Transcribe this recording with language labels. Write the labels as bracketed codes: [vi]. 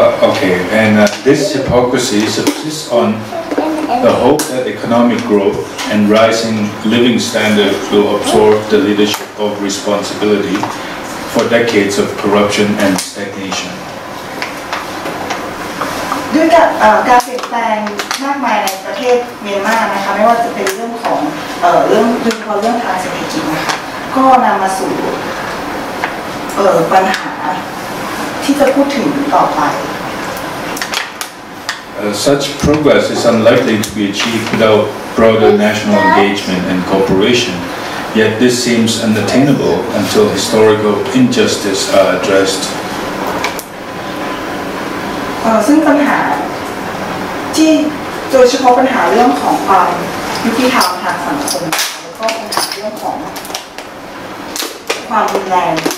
[en] Okay, and this hypocrisy subsists on the hope that economic growth and rising living standard will absorb the leadership of responsibility for decades of corruption and stagnation. [th] ด้วยการเปลี่ยนแปลงมากมายในประเทศเมียนมานะคะไม่ว่าจะเป็นเรื่องของเรื่องทางเศรษฐกิจนะคะก็นำมาสู่ปัญหาที่จะพูดถึงต่อไป [en] Such progress is unlikely to be achieved without broader national engagement and cooperation. Yet this seems unattainable until historical injustice are addressed. [th] ซึ่งปัญหาที่โดยเฉพาะปัญหาเรื่องของความยุติธรรมทางสังคมแล้วก็ปัญหาเรื่องของความรุนแรง